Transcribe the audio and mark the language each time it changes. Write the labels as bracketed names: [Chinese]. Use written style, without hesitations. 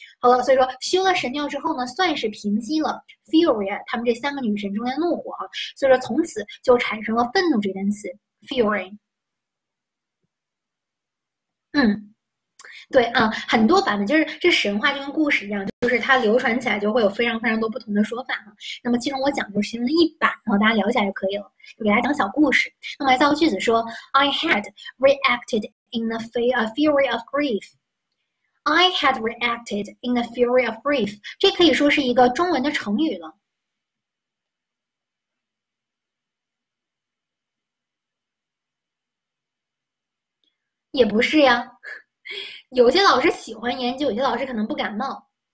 [Chinese] 好了，所以说修了神庙之后呢，算是平息了 Furia 他们这三个女神中间怒火哈，所以说从此就产生了愤怒这个单词 Fury。对啊，很多版本就是这神话就跟故事一样，就是它流传起来就会有非常非常多不同的说法哈。那么其中我讲就是其中的一版，然后大家了解就可以了，就给大家讲小故事。那么来造个句子说： [English] I had reacted in the fury of grief。 I had reacted in the fury of grief。 [Chinese] 这可以说是一个中文的成语了。也不是呀，有些老师喜欢研究，有些老师可能不感冒。